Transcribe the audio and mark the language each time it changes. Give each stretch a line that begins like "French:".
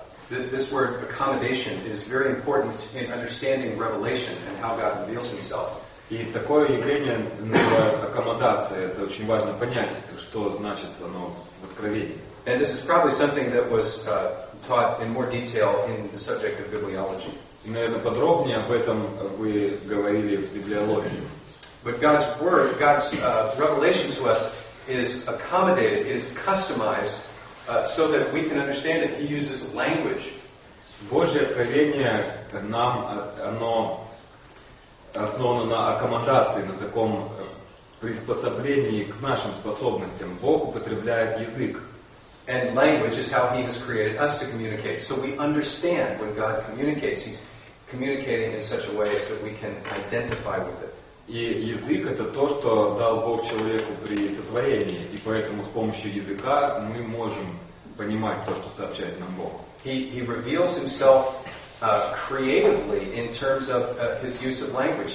English: This word accommodation is very important in understanding revelation and how God reveals Himself.
Russian: И такое явление называют аккомодацией. Это очень важно понять, что значит оно в Откровении.
English: And this is probably something that was taught in more detail in the subject of bibliology.
Russian: Наверное, подробнее об этом вы говорили в библиологии.
English: But God's word, God's revelation to us is accommodated, is customized so that we can understand it. He uses language.
Russian: Божье откровение нам, оно основано на аккомодации, на таком приспособлении к нашим способностям. Бог употребляет язык.
English: And language is how he has created us to communicate. So we understand when God communicates, he's communicating in such a way so that we can identify with it.
Russian: И язык это то, что дал Бог человеку при сотворении, и поэтому с помощью языка мы можем понимать то, что сообщает нам Бог.
English: He reveals himself creatively in terms of his use of language.